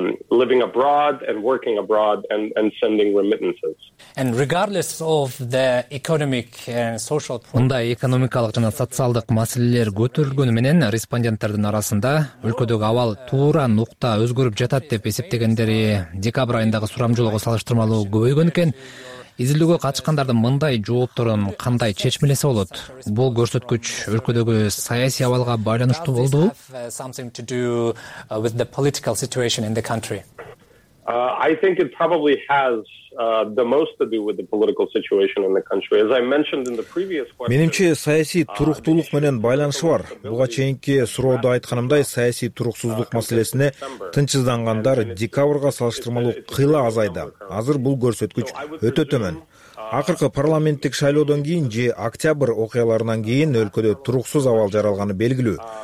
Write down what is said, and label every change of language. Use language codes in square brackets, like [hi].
[en] Living abroad and working abroad and sending remittances. And regardless of the economic and social problems. [ky] Мындай экономикалык жана социалдык маселелер көтөрүлгөнү менен респонденттердин арасында өлкөдөгү абал туура нукта өзгөрүп жатат деп эсептегендери декабрь айындагы сурамжылоого салыштырмалуу көбөйгөн экен. Изилдөөгө катышкандардын мындай жоопторун кандай чечмелесе болот? Бул көрсөткүч өлкөдөгү саясий абалга байланыштуу болдубу? [en] Something to do with the political situation in the country. I think it probably has the most to do with the political situation in the country. As I mentioned in the previous question. [ky] Менимче саясий туруктуулук менен байланышы бар. Буга чейинки суроодо айтканымдай, саясий туруксуздук маселесине тынчсыздангандар декабрга салыштырмалуу кыйла азайды. Азыр бул көрсөткүч өтө төмөн. Акыркы парламенттик шайлоодон кийин же октябрь окуяларынан кийин өлкөдө туруксуз абал жаралганы белгилүү.